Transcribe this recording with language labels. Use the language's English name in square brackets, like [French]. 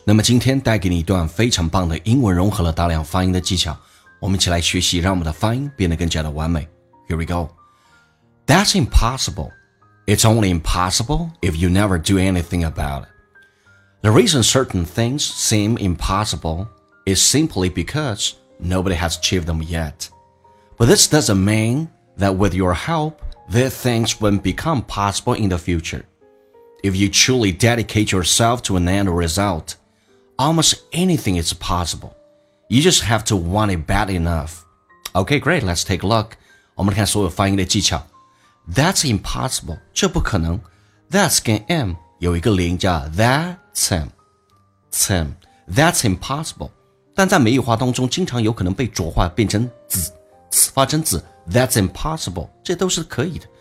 [Chinese] 那么今天带给你一段非常棒的英文，融合了大量发音的技巧，我们一起来学习，让我们的发音变得更加的完美。 [English] Here we go. That's impossible. It's only impossible if you never do anything about it. The reason certain things seem impossible is simply because nobody has achieved them yet. But this doesn't mean that with your help, these things won't become possible in the future. If you truly dedicate yourself to an end result, almost anything is possible. You just have to want it bad enough. Okay, great, let's take a look. [Chinese] 我们看所有发音的技巧。 [English] That's impossible, [Chinese] 这不可能。That's 跟 M 有一个连加 [English] that's him. Tim, that's impossible. [Chinese] 但在美语化当中经常有可能被浊化变成 z, 发成 z, [English] that's impossible, [Chinese] 这都是可以的。